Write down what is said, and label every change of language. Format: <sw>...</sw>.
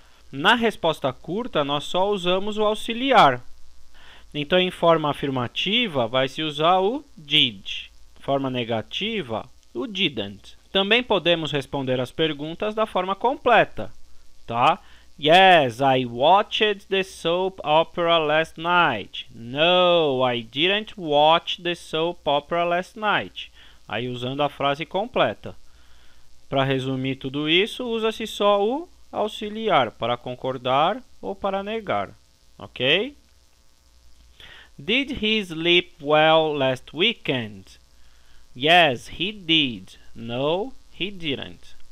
<pt>Na resposta curta, nós só usamos o auxiliar. Então, em forma afirmativa, vai se usar o did. Forma negativa, o didn't. Também podemos responder às perguntas da forma completa, tá?</pt> <en>Yes, I watched the soap opera last night. No, I didn't watch the soap opera last night.</en> <pt>Aí, usando a frase completa. Para resumir tudo isso, usa-se só o auxiliar para concordar ou para negar, ok?</pt> <en>Did he sleep well last weekend? Yes, he did. No, he didn't.</en>